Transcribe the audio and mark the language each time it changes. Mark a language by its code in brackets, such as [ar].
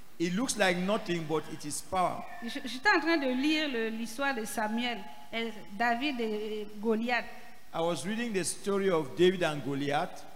[en] It looks like nothing, but it is power. [fr] J'étais en train de lire l'histoire de Samuel, David et Goliath. [en] I was reading the story of David and Goliath.